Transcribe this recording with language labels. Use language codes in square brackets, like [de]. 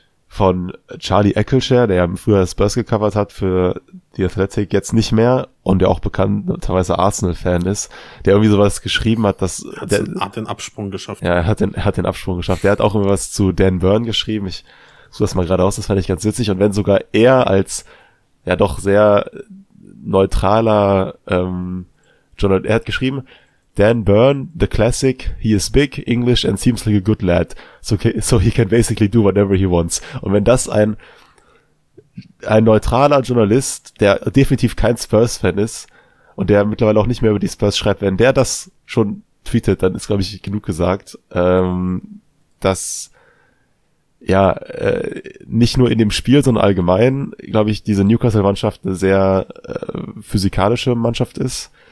[de] von Charlie Eccleshare, der ja früher Spurs gecovert hat für The Athletic, jetzt nicht mehr und der auch bekannterweise Arsenal-Fan ist, der irgendwie sowas geschrieben hat, dass... Er hat den Absprung geschafft. Der hat auch irgendwas zu Dan Byrne geschrieben. Ich suche das mal gerade aus, das fand ich ganz witzig. Und wenn sogar er als ja doch sehr neutraler Journalist, er hat geschrieben... [en] Dan Byrne, the classic, he is big, English and seems like a good lad, so he can basically do whatever he wants. [de] Und wenn das ein neutraler Journalist, der definitiv kein Spurs-Fan ist und der mittlerweile auch nicht mehr über die Spurs schreibt, wenn der das schon tweetet, dann ist, glaube ich, genug gesagt, dass ja nicht nur in dem Spiel, sondern allgemein, glaube ich, diese Newcastle-Mannschaft eine sehr physikalische Mannschaft ist.